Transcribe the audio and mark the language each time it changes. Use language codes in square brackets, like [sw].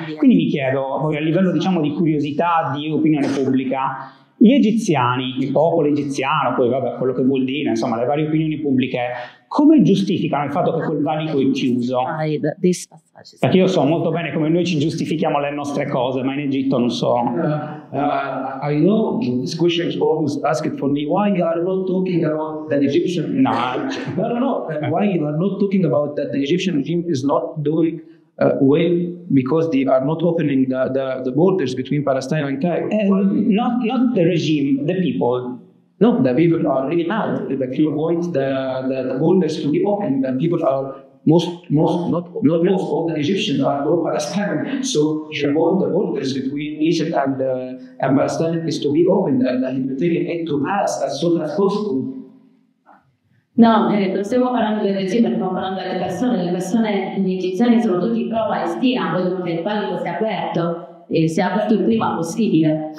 [it] Quindi mi chiedo, a livello diciamo di curiosità, di opinione pubblica, gli egiziani, il popolo egiziano, poi vabbè, quello che vuol dire, insomma, le varie opinioni pubbliche, come giustificano il fatto che quel valico è chiuso? Perché io so molto bene come noi ci giustifichiamo le nostre cose, ma in Egitto non so. [en] I know this question is always asked for me. Why you are not talking about the Egyptian regime? No, why you are not talking about that the Egyptian regime is not doing well, because they are not opening the borders between Palestine and Cairo. Not the regime, the people. No, the people are really mad. The people want the borders to be open. The people are most, all the Egyptians are pro Palestine. So they want the borders between Egypt and Palestine is to be open, and the humanitarian aid to pass as soon as possible. [it] No, non stiamo parlando del regime, stiamo parlando delle persone. Le persone, gli egiziani sono tutti pro Palestina, vogliono che il valico sia aperto, e sia aperto il prima possibile.